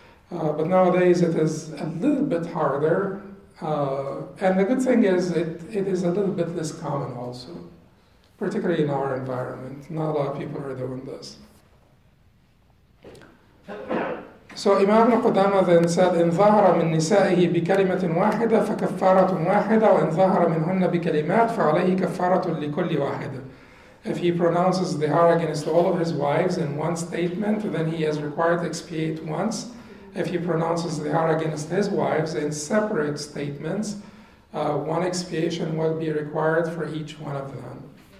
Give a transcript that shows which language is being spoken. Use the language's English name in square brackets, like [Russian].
[English] But nowadays it is a little bit harder. And the good thing is it is a little bit less common also, particularly in our environment. Not a lot of people are doing this. So Imam al-Qudama then said, [Arabic] "إن ظهر من نسائه بكلمة واحدة فكفارة واحدة وإن ظهر منهن بكلمات فعليه كفارة لكل واحدة." [English] If he pronounces dhihar against all of his wives in one statement, then he is required to expiate once. If he pronounces dhihar against his wives in separate statements, one expiation will be required for each one of them.